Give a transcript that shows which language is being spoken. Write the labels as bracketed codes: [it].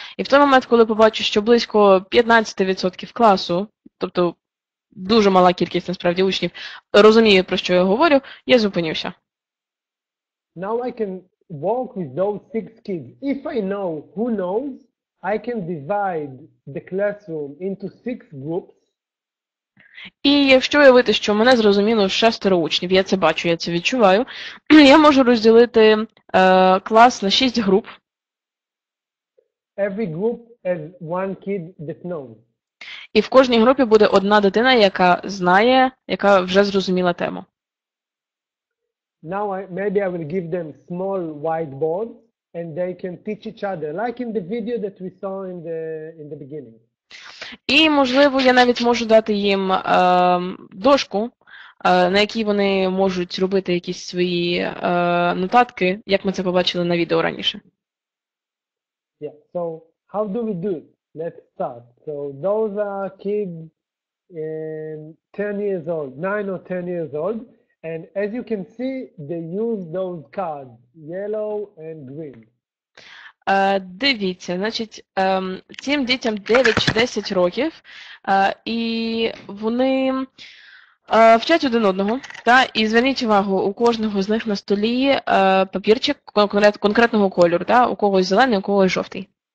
[uk] І в той момент, коли побачу, що близько 15% класу, тобто дуже мала кількість насправді учнів, розуміє, про що я говорю, я зупинюся. [en] Now I can walk with those 6 kids. If I know who knows, I can divide the classroom into 6 groups. [uk] І якщо уявити, що мене зрозуміло шестеро учнів, я це бачу, я це відчуваю, я можу розділити клас на 6 груп. [en] Every group has one kid that knows. [uk] І в кожній групі буде одна дитина, яка знає, яка вже зрозуміла тему. [en] Now maybe I will give them small whiteboard and they can teach each other, like in the video that we saw in the beginning. [uk] І, можливо, я навіть можу дати їм дошку, на якій вони можуть робити якісь свої нотатки, як ми це побачили на відео раніше. [en] Yeah. So, how do we do it? Let's start. So, those are kids 10 years old, 9 or 10 years old, and as you can see, they use those cards, yellow and green. [uk] Дивіться, значить, цим дітям 9 чи 10 років, і вони вчать один одного, та, і зверніть увагу, у кожного з них на столі папірчик конкретного кольору, та, у когось зелений, у когось жовтий.